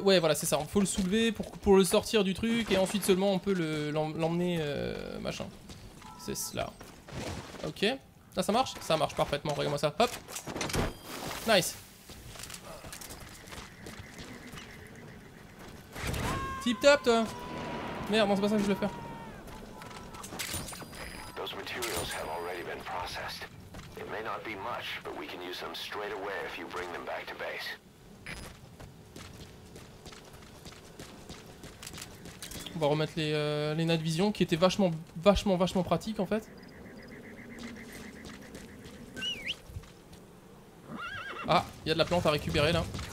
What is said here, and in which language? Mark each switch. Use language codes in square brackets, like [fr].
[fr] Ouais voilà c'est ça, faut le soulever pour le sortir du truc et ensuite seulement on peut l'emmener machin. C'est cela. Ok. Là ça marche? Ça marche parfaitement, regarde-moi ça. Hop. Nice. Tip top toi. Merde, non c'est pas ça que je voulais faire. [en] Those materials have already been processed. It may not be much, but we can use them straight away if you bring them back to base. [fr] On va remettre les Night Vision qui étaient vachement pratiques en fait. Ah, il y a de la plante à récupérer là.